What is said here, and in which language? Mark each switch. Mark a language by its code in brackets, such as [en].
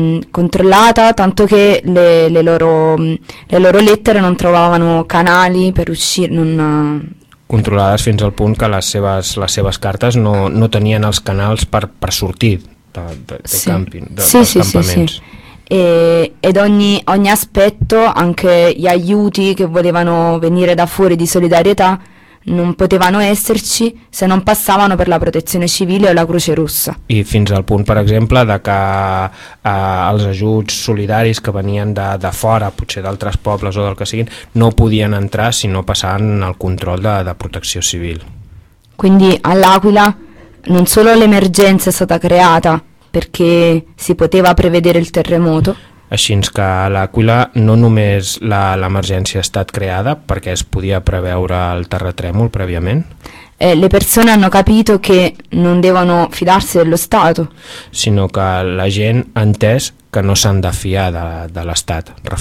[it] Controllata tanto che le loro lettere non trovavano canali per uscire, non [ca] controllades fins al punt que les seves cartes no tenien els canals per sortir dels campaments. [it] Sì. Ed ogni aspetto, anche gli aiuti che volevano venire da fuori di solidarietà non potevano esserci se non passavano per la protezione civile o la Croce Rossa. [ca] I fins al punt, per exemple, de que els ajuts solidaris que venien de fora, potser d'altres pobles o del que siguin, no podien entrar si no passaven el control de protecció civil. [it] Quindi all'Aquila non solo l'emergenza è stata creata perché si poteva prevedere il terremoto. [ca] Així que a l'Aquila no només l'emergència ha estat creada perquè es podia preveure el terratrèmol prèviament. [it] Le persone hanno capito che non devono fidarsi dello Stato. [ca] Sinó que la gent ha entès que no s'han de fiar de l'Estat.